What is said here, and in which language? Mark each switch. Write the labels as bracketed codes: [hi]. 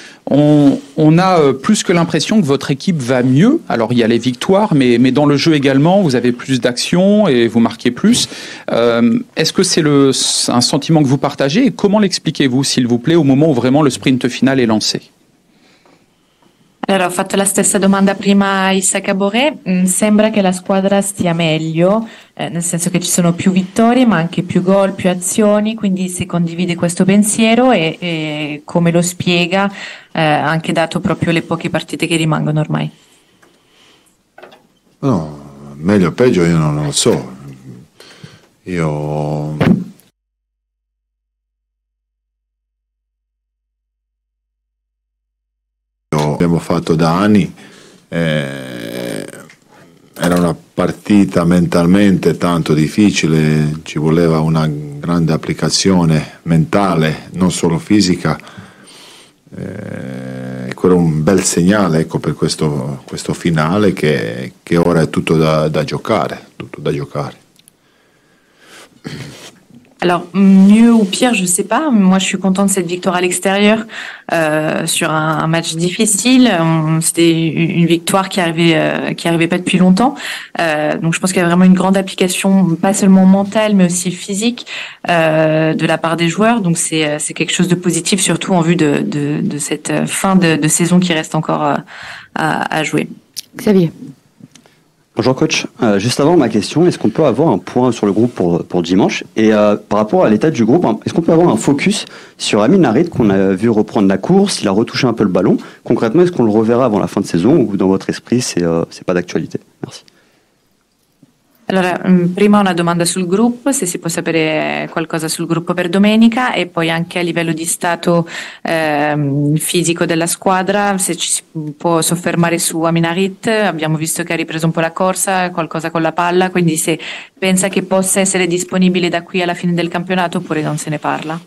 [fr] On a plus que l'impression que votre équipe va mieux. Alors, il y a les victoires, mais dans le jeu également, vous avez plus d'action et vous marquez plus. Est-ce que c'est un sentiment que vous partagez? Et comment l'expliquez-vous, s'il vous plaît, au moment où vraiment le sprint final est lancé? [it] Allora, ho fatto la stessa domanda prima a Isaka Boré. Sembra che la squadra stia meglio, nel senso che ci sono più vittorie, ma anche più gol, più azioni, quindi si condivide questo pensiero e come lo spiega, anche dato proprio le poche partite che rimangono ormai. No, meglio o peggio io non lo so. Io... abbiamo fatto da anni, era una partita mentalmente tanto difficile, ci voleva una grande applicazione mentale, non solo fisica, quello è un bel segnale, ecco, per questo finale che ora è tutto da giocare. [fr] Alors, mieux ou pire, je sais pas. Moi, je suis contente de cette victoire à l'extérieur sur un match difficile. C'était une victoire qui arrivait pas depuis longtemps. Donc, je pense qu'il y a vraiment une grande application, pas seulement mentale, mais aussi physique de la part des joueurs. Donc, c'est quelque chose de positif, surtout en vue de cette fin de saison qui reste encore à jouer. Xavier. Bonjour coach, juste avant ma question, est-ce qu'on peut avoir un point sur le groupe pour dimanche? Et par rapport à l'état du groupe, est-ce qu'on peut avoir un focus sur Amin Narit qu'on a vu reprendre la course, il a retouché un peu le ballon? Concrètement, est-ce qu'on le reverra avant la fin de saison ou dans votre esprit, c'est pas d'actualité? Merci. [it] Allora, prima una domanda sul gruppo, se si può sapere qualcosa sul gruppo per domenica e poi anche a livello di stato fisico della squadra, se ci si può soffermare su Amin Narit, abbiamo visto che ha ripreso un po' la corsa, qualcosa con la palla, quindi se pensa che possa essere disponibile da qui alla fine del campionato oppure non se ne parla?